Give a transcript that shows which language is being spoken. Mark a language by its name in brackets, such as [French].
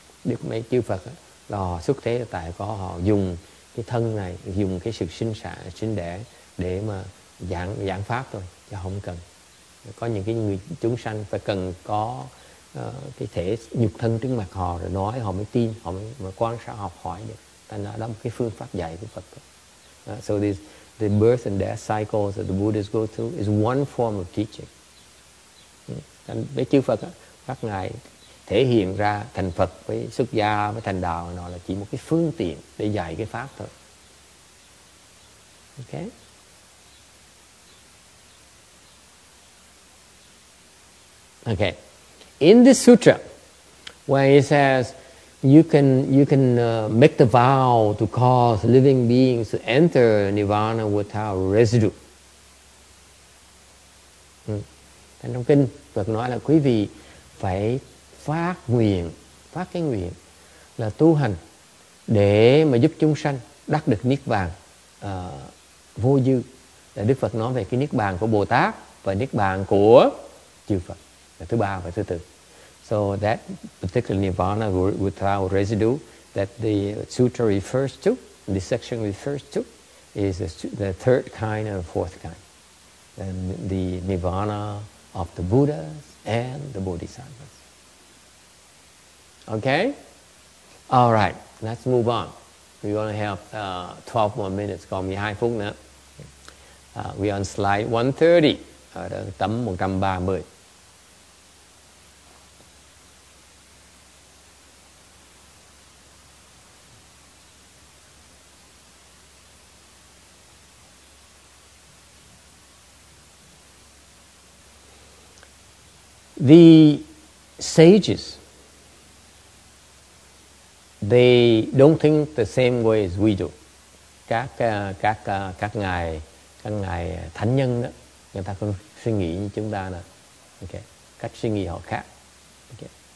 [Vietnamese] Đức mấy chư Phật là họ xuất thế tại có họ dùng cái thân này, dùng cái sự sinh sản, sinh đẻ để mà giảng pháp thôi, chứ không cần. Có những cái người chúng sanh phải cần có cái thể nhục thân trước mặt họ rồi nói họ mới tin, họ mới quan sát học hỏi được. Tại đó là một cái phương pháp dạy của Phật. [English] So this the birth and death cycles that the Buddhists go through is one form of teaching. [Vietnamese] Với chư Phật, các ngài thể hiện ra thành Phật với xuất gia với thành đạo nó là chỉ một cái phương tiện để dạy cái pháp thôi. [English] Okay. Okay. In this sutra, where it says you can make the vow to cause living beings to enter Nirvana without residue. [Vietnamese] Thành trong kinh Phật nói là quý vị phải phát cái nguyện là tu hành để mà giúp chúng sanh đắc được niết bàn vô dư. Là Đức Phật nói về cái niết bàn của Bồ Tát và niết bàn của chư Phật là thứ ba và thứ tư. [English] So that particular Nirvana without residue that the sutra refers to, this section refers to, is the third kind and fourth kind. And the Nirvana of the Buddhas and the Bodhisattvas. Okay? All right, let's move on. We only have 12 more minutes. [Vietnamese] Còn 12 phút nữa. [English] We're on slide 130. [Vietnamese] Ở tấm 130. [English] The sages, they don't think the same way as we do. [Vietnamese] Các ngài thánh nhân đó, người ta không suy nghĩ như chúng ta nè. Okay. Cách suy nghĩ họ khác. Okay.